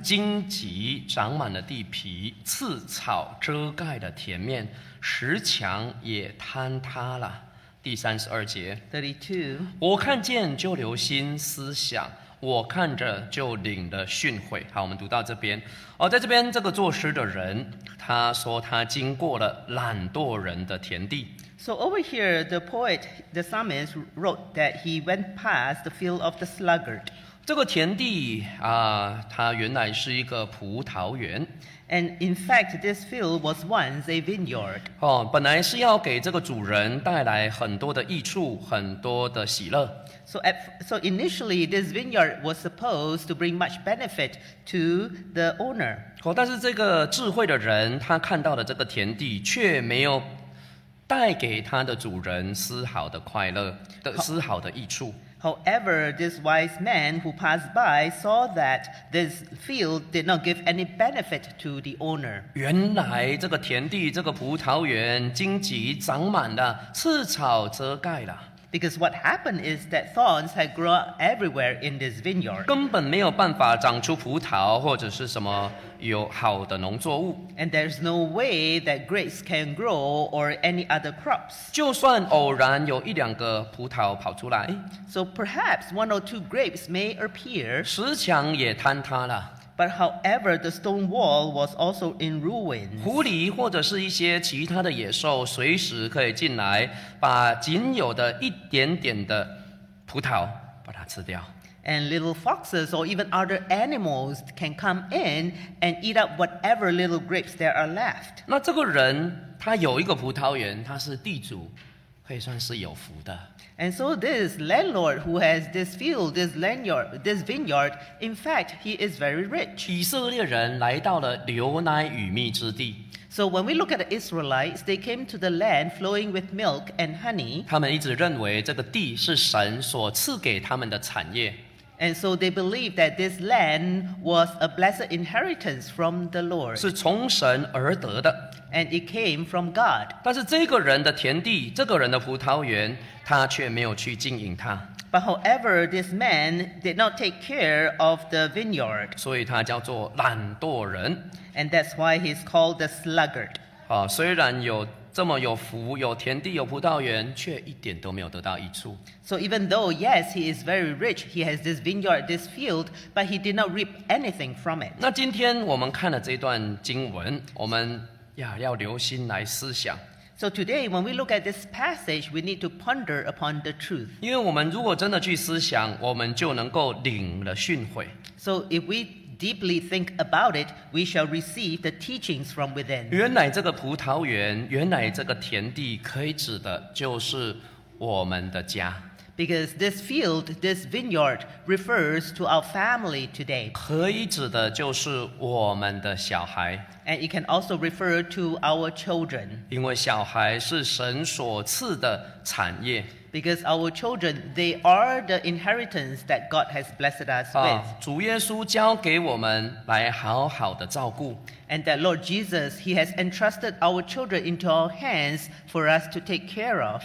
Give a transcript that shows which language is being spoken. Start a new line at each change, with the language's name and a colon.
Chinese: 荆棘长满了地皮，刺草遮盖的田面，石墙也坍塌了。第三十二节
English: 32.
Chinese: 我看见就留心思想，我看着就领了训诲。好，我们读到这边、哦、在这边这个作诗的人他说他经过了懒惰人的田地。
English: So over here the poet, the psalmist wrote that he went past the field of the sluggard.
Chinese: 这个田地啊，它原来是一个葡萄园。
English: And in fact, this field was once a vineyard.
Chinese: 哦，本来是要给这个主人带来很多的益处，很多的喜乐。
English: So initially, this vineyard was supposed to bring much benefit to the owner.
Chinese: 哦，但是这个智慧的人，他看到了这个田地，却没有带给他的主人丝毫的快乐，丝毫的益处。
English: However, this wise man who passed by saw that this field did not give any benefit to the owner.
Chinese: 原来这个田地，这个葡萄园，荆棘长满了，刺草遮盖了。
English: Because what happened is that thorns had grown everywhere in this vineyard.
Chinese: 根本没有办法长出葡萄或者是什么有好的农作物。
English: And there's no way that grapes can grow or any other crops.
Chinese: 就算偶然有一两个葡萄跑出来。
English: So perhaps one or two grapes may appear.
Chinese: 石墙也坍塌了。
English: But however, the stone wall was also in ruins.
Chinese: 狐狸或者是一些其他的野兽随时可以进来把仅有的一点点的葡萄把它吃掉。
English: And little foxes or even other animals can come in and eat up whatever little grapes there are left.
Chinese: 那这个人他有一个葡萄园，他是地主，可以算是有福的。
English: And so this landlord who has this field, this vineyard, in fact, he is very rich.
Chinese: 以色列人来到了牛奶与蜜之地。
English: So when we look at the Israelites, they came to the land flowing with milk and honey.
Chinese: 他们一直认为这个地是神所赐给他们的产业。
English: And so they believed that this land was a blessed inheritance from the Lord.
Chinese: 是从神而得的。
English: And it came from God.
Chinese: 但是这个人的田地，这个人的葡萄园，他却没有去经营它。
English: But however, this man did not take care of the vineyard.
Chinese: 所以他叫做懒惰人。
English: And that's why he's called the sluggard.
Chinese: 啊，虽然有这么有福，有田地，有葡萄园，却一点都没有得到益处。
English: So even though, yes, he is very rich, he has this vineyard, this field, but he did not reap anything from it.
Chinese: 那今天我们看了这段经文，我们要留心来思想。
English: So today, when we look at this passage, we need to ponder upon the truth.
Chinese: 因为我们如果真的去思想，我们就能够领了训诲。
English: So if we deeply think about it, we shall receive the teachings from within.
Chinese: 原来这个葡萄园，原来这个田地可以指的就是我们的家。
English: Because this field, this vineyard refers to our family today.
Chinese: 可以指的就是我们的小孩。
English: And it can also refer to our children.
Chinese: 因为小孩是神所赐的产业。
English: Because our children, they are the inheritance that God has blessed us with.
Chinese: 主耶稣交给我们来好好的照顾。
English: And that Lord Jesus, he has entrusted our children into our hands for us to take care of.